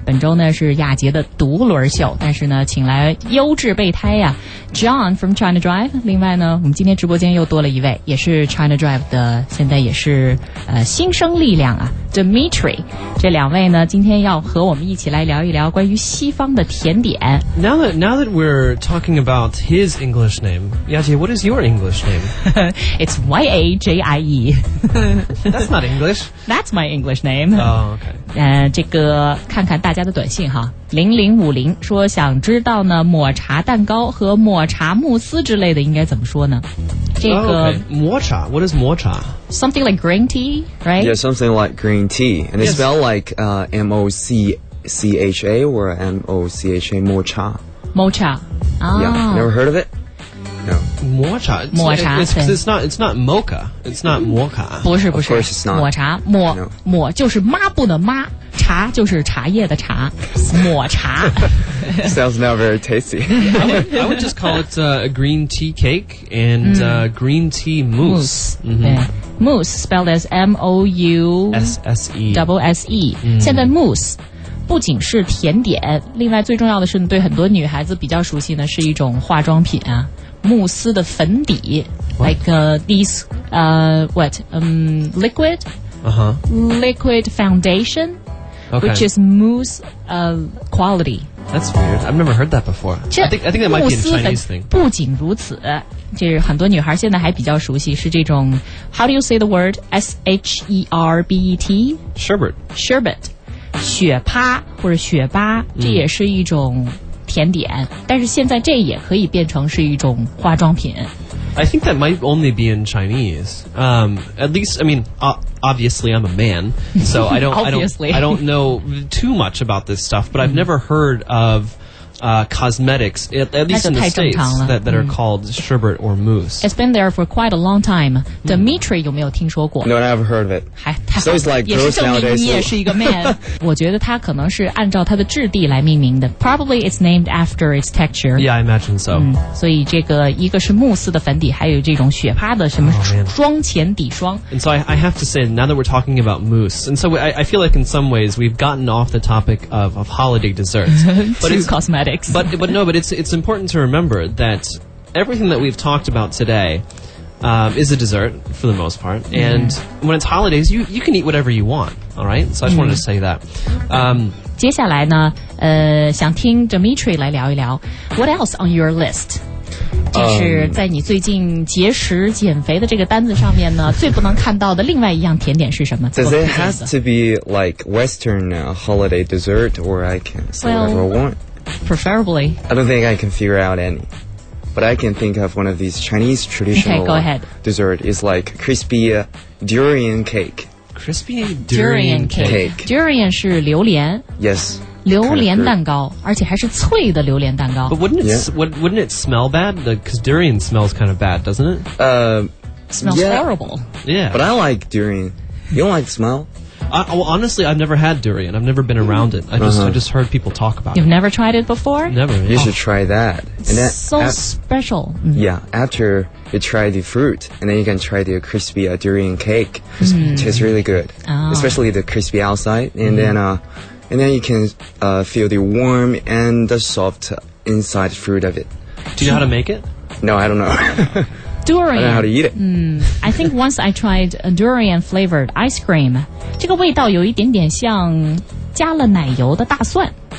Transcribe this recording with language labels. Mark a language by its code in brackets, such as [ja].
[zh] 本周呢是亚杰的独轮秀，但是呢请来优质备胎呀 John from China Drive， 另外呢我们今天直播间又多了一位，也是 China Drive 的，现在也是新生力量啊 Dimitri。这两位呢今天要和我们一起来聊一聊关于西方的甜点。 [en] Now that we're talking about his English name, 亚杰, what is your English name? It's Y-A-J-I-E. That's not English. That's my English name. Oh, okay. [zh] 这个看看大家的短信哈，0050说想知道呢抹茶蛋糕和抹茶慕斯之类的应该怎么说呢？这个、 [en] 抹茶 ，What is 抹茶？Something like green tea, right? Yeah, something like green tea, and it's spelled like M O C C H A or M O C H A 抹茶。 [zh] 抹茶。 [en] Yeah, never heard of it. No. [zh] 抹茶抹茶 [en] it's not mocha. It's not 抹茶 [zh] 不是不是 [en] Of course it's not [zh] 抹茶 抹、 [en] no. [zh] 抹就是抹布的抹，茶就是茶叶的茶，抹茶 [en] Sounds not very tasty. I would just call it a green tea cake and green tea mousse. Mousse spelled as M-O-U-S-S-E Double S-E、mm. [zh] 现在 mousse不仅是甜点，另外最重要的是对很多女孩子比较熟悉的是一种化妆品啊，慕斯的粉底、 [en] what? Like these liquid、 uh-huh. liquid foundation、 okay. which is mousse quality. That's weird. I've never heard that before. I think that might be a Chinese thing. [zh] 不仅如此，就是很多女孩现在还比较熟悉是这种 [en] How do you say the word? S-H-E-R-B-E-T? Sherbet [zh] 雪趴或者雪巴，这也是一种甜点、嗯、但是现在这也可以变成是一种化妆品。 [en] I think that might only be in Chinese. At least, I mean, obviously I'm a man, so I don't know too much about this stuff, but I've never heard of cosmetics, at least in the States, that are called sherbet or mousse. It's been there for quite a long time. [zh] Dimitri, 有没有听说过？ [en] No, I haven't heard of it. So it's like girls nowadays. [zh] 也是证明你也是一个 man. 我觉得它可能是按照它的质地来命名的。 [en] Probably it's named after its texture. Yeah, I imagine so. 所以这个一个是慕斯的粉底，还有这种雪趴的什么妆前底霜。 And so I have to say, now that we're talking about mousse, and so I feel like in some ways we've gotten off the topic of holiday desserts. Too cosmetic. But it's important to remember that everything that we've talked about today is a dessert for the most part. Mm. And when it's holidays, you can eat whatever you want, all right? So I just wanted to say that. [zh] 接下来呢，想听 Dimitri 来聊一聊 [en] What else on your list? [zh] 这是在你最近节食减肥的这个单子上面呢，最不能看到的另外一样甜点是什么？ [en] Does it have to be like Western holiday dessert, or I can say whatever I want? Preferably. I don't think I can figure out any. But I can think of one of these Chinese traditional okay, go ahead. Dessert. It's like crispy durian cake. Crispy durian cake. [zh] Durian 是榴莲。 [en] Yes. [zh] 榴莲蛋糕，而且还是脆的榴莲蛋糕。 [en] But wouldn't it smell bad? Because durian smells kind of bad, doesn't it? Smells terrible. Yeah. But I like durian. You don't like the smell? Honestly, I've never had durian. I've never been around it. I just heard people talk about You've never tried it before? Never, yeah. You should try that. And special. Mm-hmm. Yeah, after you try the fruit, and then you can try the crispy durian cake. It tastes really good. Especially the crispy outside. And then you can feel the warm and the soft inside fruit of it. Do you know how to make it? No, I don't know. Durian. I don't know how to eat it. I think once I tried a durian-flavored ice cream. [zh] 这个味道有一点点像加了奶油的大蒜。